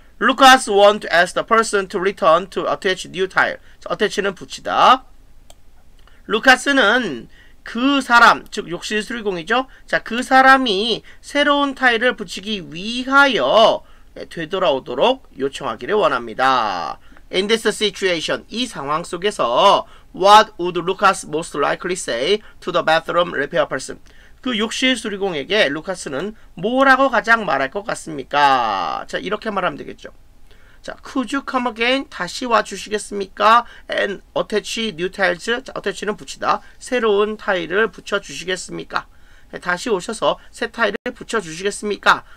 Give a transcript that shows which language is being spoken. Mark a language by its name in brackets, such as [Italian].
[English] Lucas want to ask the person to return to attach new tile. [Korean] attach는 붙이다. Lucas는 그 사람, 즉 욕실 수리공이죠. 자, 그 사람이 새로운 타일을 붙이기 위하여 되돌아오도록 요청하기를 원합니다. [English] In this situation, [Korean] 이 상황 속에서 [English] what would Lucas most likely say to the bathroom repair person? [Korean] 그 욕실 수리공에게 루카스는 뭐라고 가장 말할 것 같습니까? 자, 이렇게 말하면 되겠죠. [English] 자, could you come again? [Korean] 다시 와 주시겠습니까? [English] And attach new tiles. 자, [Korean] attach는 붙이다. 새로운 타일을 붙여 주시겠습니까? 다시 오셔서 새 타일을 붙여 주시겠습니까?